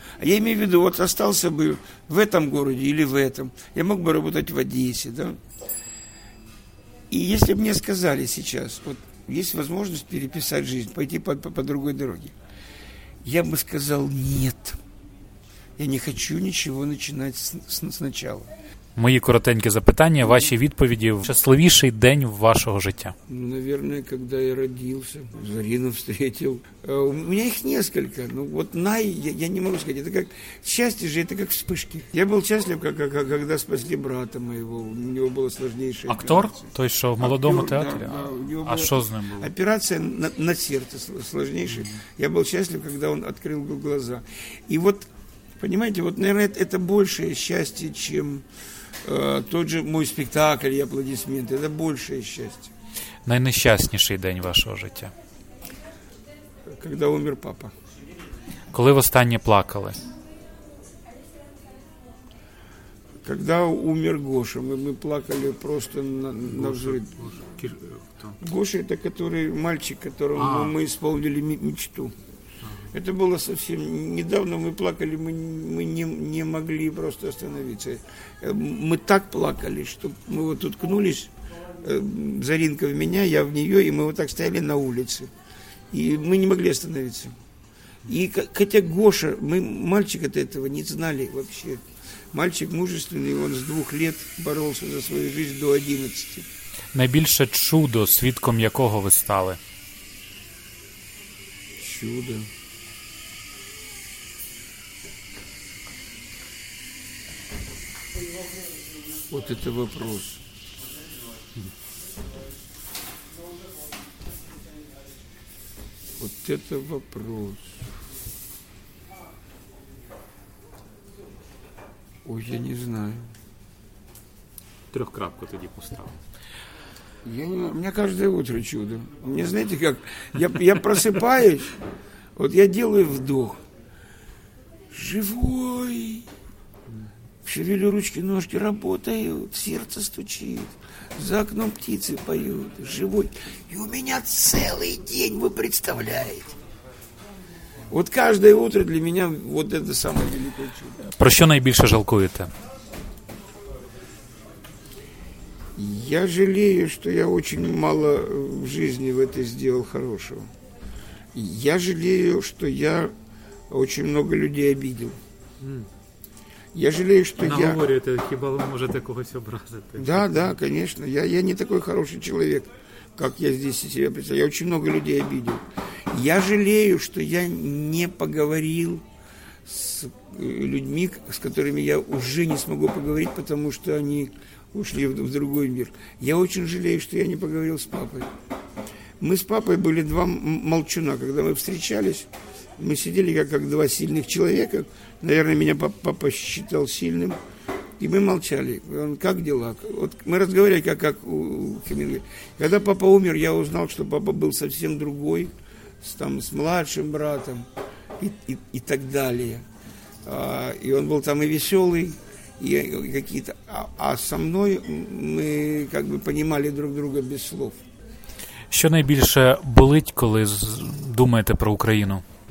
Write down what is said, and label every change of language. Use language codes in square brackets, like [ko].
[ru] Я имею в виду, вот остался бы в этом городе или в этом, я мог бы работать в Одессе, да? И если бы мне сказали сейчас, вот есть возможность переписать жизнь, пойти по другой дороге, я бы сказал нет. Я не хочу ничего начинать сначала. [uk] Мої коротенькі запитання, ваші відповіді. Щасливіший день вашого життя? [ru] Наверное, когда я родился, Зарину встретил. У меня их несколько, но вот я не могу сказать. Это как счастье же, это как вспышки. Я был счастлив, когда спасли брата моего. У него было сложнейшее. [uk] Актор? [ru] То есть, что в молодом театре? Да, а что с ним было? Операция на сердце сложнейшая. Mm-hmm. Я был счастлив, когда он открыл глаза. И вот, понимаете, вот, наверное, это большее счастье, чем тот же мой спектакль и аплодисменты. Это большее счастье. [uk] Найнесчастніший день вашего життя? [ru] Когда умер папа. [uk] Коли востаннє плакали? [ru] Когда умер Гоша. Мы плакали просто на взрыв. Гоша это который мальчик, которому мы исполнили мечту. Это было совсем недавно, мы плакали, мы не могли просто остановиться. Мы так плакали, что мы вот уткнулись, Заринка в меня, я в нее, и мы вот так стояли на улице. И мы не могли остановиться. И хотя Гоша, мы мальчик от этого не знали вообще. Мальчик мужественный, он с 2 лет боролся за свою жизнь до 11. [uk] Найбільше чудо, свідком якого ви стали? [ru] Чудо. Вот это вопрос. Вот это вопрос. Ой, я не знаю. [uk] Трехкрапку тоді постав. [ru] Мне каждое утро чудо. Мне знаете как? Я просыпаюсь, вот я делаю вдох. Живой. Шевелю ручки, ножки, работают, сердце стучит, за окном птицы поют, живой. И у меня целый день, вы представляете? Вот каждое утро для меня вот это самое великое чудо. [uk] Про что наибольше жалкуете? [ru] Я жалею, что я очень мало в жизни в этой сделал хорошего. Я жалею, что я очень много людей обидел. Я жалею, что я... [uk] Наговорюєте, хіба ви можете когось образити? [ru] Да, да, конечно. Я не такой хороший человек, как я здесь себе представляю. Я очень много людей обидел. Я жалею, что я не поговорил с людьми, с которыми я уже не смогу поговорить, потому что они ушли в другой мир. Я очень жалею, что я не поговорил с папой. Мы с папой были 2 молчуна. Когда мы встречались, мы сидели как 2 сильных человека, наверное, меня папа считал сильным. И мы молчали. Он, как дела? Вот мы разговаривали, как у Хемингуэя. Когда папа умер, я узнал, что папа был совсем другой. С младшим братом и так далее. И он был там и веселый, какие-то, а со мной мы как бы понимали друг друга без слов. [uk] Що найбільше болить, коли думаєте про Україну?